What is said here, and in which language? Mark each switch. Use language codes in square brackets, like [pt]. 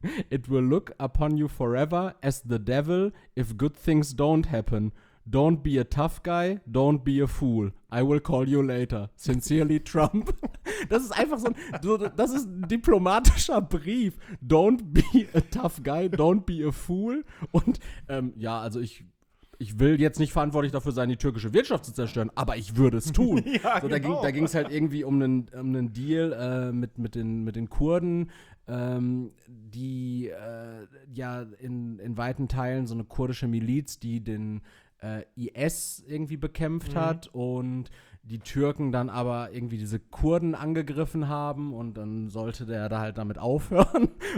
[en] It will look upon you forever as the devil if good things don't happen. Don't be a tough guy, don't be a fool. I will call you later. Sincerely, Trump. [de] Das ist einfach so ein, das ist ein diplomatischer Brief. [en] Don't be a tough guy, don't be a fool. [de] Und ja, also ich will jetzt nicht verantwortlich dafür sein, die türkische Wirtschaft zu zerstören, aber ich würde es tun. Ja, so, genau. Da ging es halt irgendwie um einen Deal mit den Kurden, die ja in weiten Teilen so eine kurdische Miliz, die den IS irgendwie bekämpft hat und die Türken dann aber irgendwie diese Kurden angegriffen haben und dann sollte der da halt damit aufhören.